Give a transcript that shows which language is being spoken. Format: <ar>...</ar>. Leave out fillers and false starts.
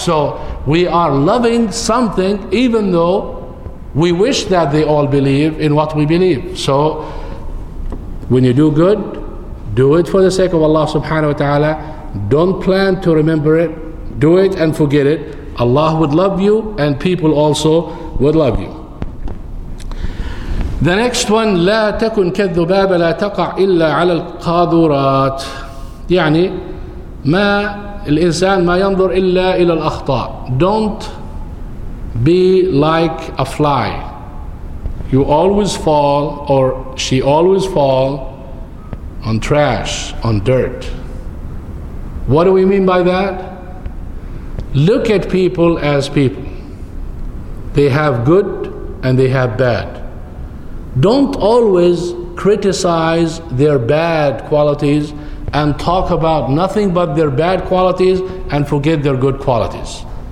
<en>So we are loving something even though we wish that they all believe in what we believe. So when you do good, do it for the sake of Allah subhanahu wa ta'ala. Don't plan to remember it. Do it and forget it. Allah would love you and people also would love you. The next one,</en> <ar>لا تكن كالذباب لا تقع إلا على القاذورات. يعني ما الإنسان ما ينظر إلا إلى الأخطاء.</ar> <en>Don't be like a fly. You always fall, or she always fall on trash, on dirt. What do we mean by that? Look at people as people. They have good and they have bad. Don't always criticize their bad qualities and talk about nothing but their bad qualities and forget their good qualities.</en>